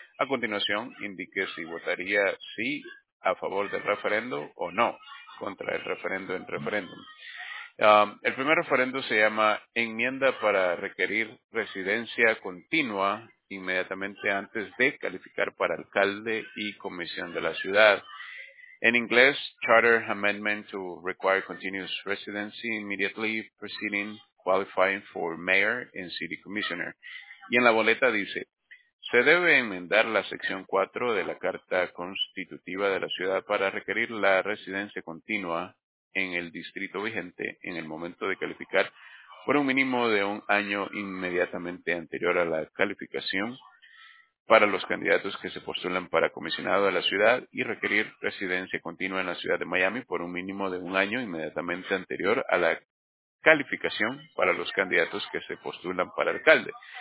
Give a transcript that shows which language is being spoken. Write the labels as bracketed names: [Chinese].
[Spanish] A continuación, indique si votaría sí a favor del referendo o no. Contra el referendo en referéndum. El primer referendo se llama enmienda para requerir residencia continua inmediatamente antes de calificar para alcalde y comisión de la ciudad. En inglés, [English] charter amendment to require continuous residency immediately preceding qualifying for mayor and city commissioner. [Spanish] Y en la boleta dice, se debe enmendar la sección 4 de la Carta Constitutiva de la ciudad para requerir la residencia continua en el distrito vigente en el momento de calificar por un mínimo de un año inmediatamente anterior a la calificación para los candidatos que se postulan para comisionado de la ciudad y requerir residencia continua en la ciudad de Miami por un mínimo de un año inmediatamente anterior a la calificación para los candidatos que se postulan para alcalde.